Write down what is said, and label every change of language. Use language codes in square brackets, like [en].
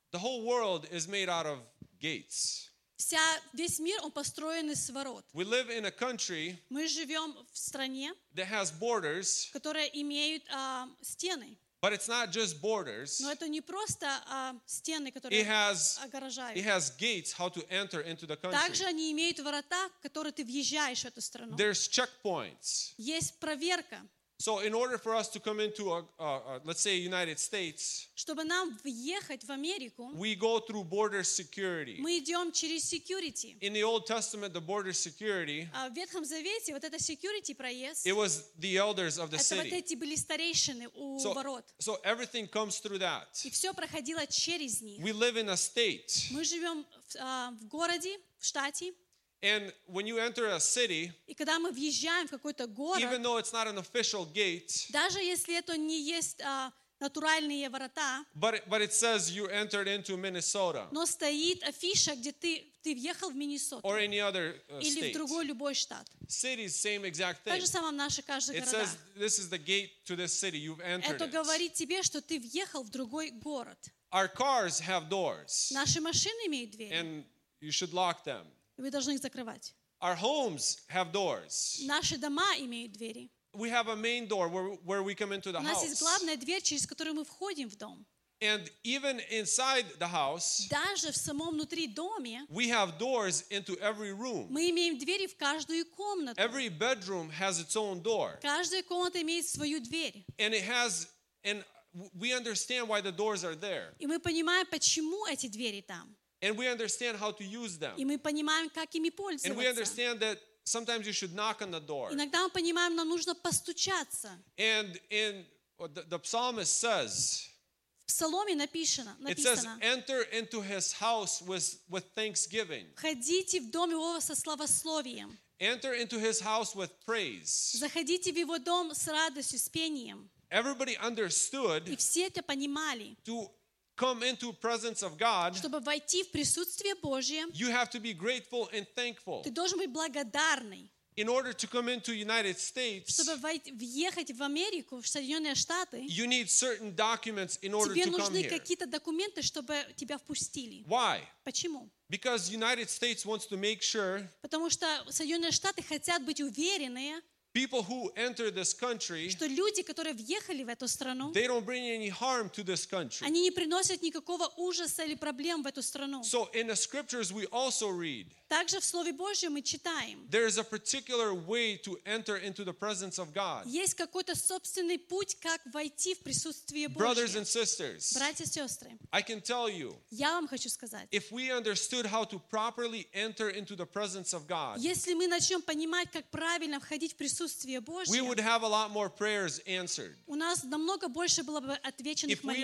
[en] The whole world is made out of gates. [ru] Весь мир он построен из ворот. [en] We live in a country. [ru] Мы живем в стране. [en] That has borders. [ru] Которые имеют стены. [en] But it's not just borders. [ru] Но это не просто стены, которые огораживают. [en] It has gates how to enter into the country. [ru] Также они имеют ворота, которые ты въезжаешь в эту страну. [en] There's checkpoints. [ru] Есть проверка. [en] So in order for us to come into let's say United States, [ru] чтобы нам въехать в Америку, [en] we go through border security. [ru] Мы идем через security. [en] In the Old Testament, the border security. [ru] В Ветхом Завете вот это security проезд. [en] It was the elders of the city. [ru] Это вот эти были старейшины у ворот. [en] So everything comes through that. [ru] И все проходило через них. [en] We live in a state. [ru] Мы живем в городе, в штате. [en] And when you enter a city, [ru] и когда мы въезжаем в какой-то город, [en] even though it's not an official gate, [ru] даже если это не есть натуральные ворота, [en] but it says you entered into Minnesota, [ru] но стоит афиша, где ты въехал в Миннесоту, [en] or any other [ru] или [en] state, [ru] или в другой любой штат. [en] Cities, same exact thing. [ru] Так же самое в наших каждых городах. [en] It says this is the gate to this city. You've entered. [ru] Это говорит тебе, что ты въехал в другой город. [en] Our cars have doors. [ru] Наши машины имеют двери. [en] And you should lock them. [ru] Вы должны их закрывать. [en] Our homes have doors. [ru] Наши дома имеют двери. [en] We have a main door where we come into the house. [ru] У нас есть главная дверь, через которую мы входим в дом. [en] And even inside the house, [ru] даже в самом внутри доме, [en] we have doors into every room. [ru] Мы имеем двери в каждую комнату. [en] Every bedroom has its own door. [ru] Каждая комната имеет свою дверь. [en] And it has and we understand why the doors are there. [ru] И мы понимаем, почему эти двери там. [en] And we understand how to use them. [ru] И мы понимаем, как ими пользоваться. [en] And we understand that sometimes you should knock on the door. [ru] Иногда мы понимаем, нам нужно постучаться. [en] And in the psalmist says. [ru] В псалме написано. [en] It says, "Enter into his house with thanksgiving." [ru] Входите в дом его со славословием. [en] Enter into his house with praise. [ru] Заходите в его дом с радостью, с пением. [en] Everybody understood. [ru] И все это понимали. [en] Come into presence of God. [ru] Чтобы войти в присутствие Божие. [en] You have to be grateful and thankful. [ru] Ты должен быть благодарный. [en] In order to come into United States. [ru] Чтобы въехать в Америку, в Соединенные Штаты. [en] You need certain documents in order to come here. [ru] Тебе нужны какие-то документы, чтобы тебя впустили. [en] Why? [ru] Почему? [en] Because United States wants to make sure. [ru] Потому что Соединенные Штаты хотят быть уверенные. [en] People who enter this country, [ru] что люди, которые въехали в эту страну, [en] they don't bring any harm to this country. [ru] Они не приносят никакого ужаса или проблем в эту страну. [en] So in the scriptures we also read. [ru] Также в Слове Божьем мы читаем. [en] There is a particular way to enter into the presence of God. [ru] Есть какой-то собственный путь, как войти в присутствие Божье. [en] Brothers and sisters. [ru] Братья и сестры. [en] I can tell you. [ru] Я вам хочу сказать. [en] If we understood how to properly enter into the presence of God. [ru] Если мы начнем понимать, как правильно входить в присутствие Божье. [en] We would have a lot more prayers answered. [ru] У нас намного больше было бы отвеченных молитв.